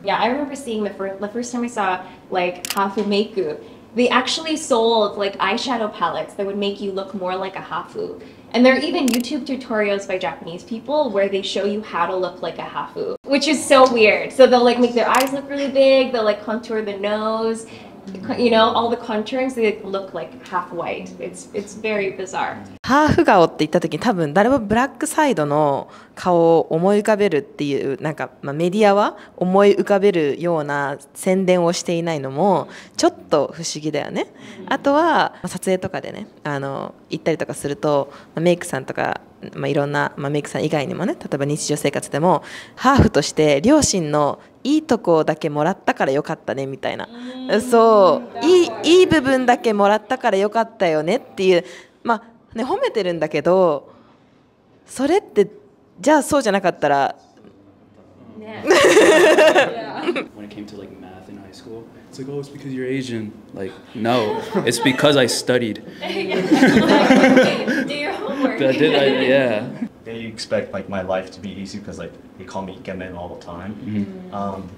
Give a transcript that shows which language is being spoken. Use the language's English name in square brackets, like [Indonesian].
[English] Yeah, I remember seeing the first time I saw like hafu meku, they actually sold like eyeshadow palettes that would make you look more like a hafu. And there are even YouTube tutorials by Japanese people where they show you how to look like a hafu, which is so weird. So they'll like make their eyes look really big, they'll like contour the nose, you know, all the contouring, so they look like half white. It's very bizarre. [Japanese] Hafu gao って言った時に多分誰もブラックサイドの顔を思い浮かべるっていうなんか、まあ、メディアは思い浮かべるような宣伝をしていないのもちょっと不思議だよね。あとは、まあ、撮影とかでね、行ったりとかすると、まあ、メイクさんとか、まあ、いろんな、まあ、メイクさん以外にもね、例えば日常生活でもハーフとして両親のいいとこだけもらったからよかったねみたいな、そう、いい部分だけもらったからよかったよねっていう、まあね、褒めてるんだけど、それってじゃあそうじゃなかったら、ね、 [English] When it came to like math in high school, it's like, oh, it's because you're Asian. Like, no, it's because I studied. Do your homework. I did, yeah. They expect like my life to be easy because like they call me Ikemen all the time. Mm-hmm.